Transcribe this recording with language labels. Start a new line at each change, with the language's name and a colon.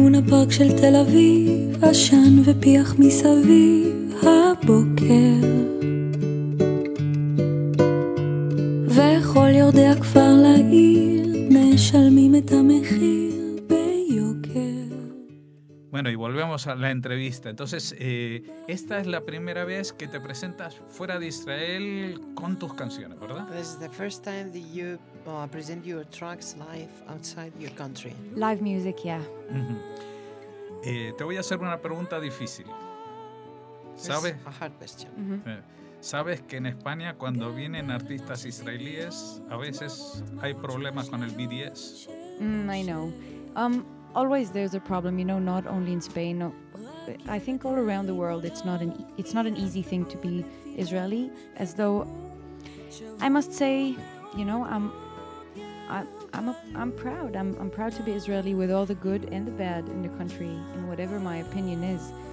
Hebrew: פארק של תל אביב, עשן ופיח מסביב הבוקר וכל יורדי הכפר לעיר משלמים את המחיר ביוקר.
Spanish: Bueno, y volvemos a la entrevista. Entonces, esta es la primera vez que te presentas fuera de Israel con tus canciones, ¿verdad?
English: This is the first time that you present your tracks live outside your country. Live music, yeah. Mm-hmm.
Spanish: Te voy a hacer una pregunta difícil. ¿Sabes?
English: A hard question.
Spanish: ¿Sabes que en España cuando vienen artistas israelíes a veces hay problemas con el BDS?
English: I know. Always there's a problem, you know, not only in Spain. No, I think all around the world it's not an easy thing to be Israeli, as though I must say, you know, I'm proud to be Israeli with all the good and the bad in the country, and whatever my opinion is.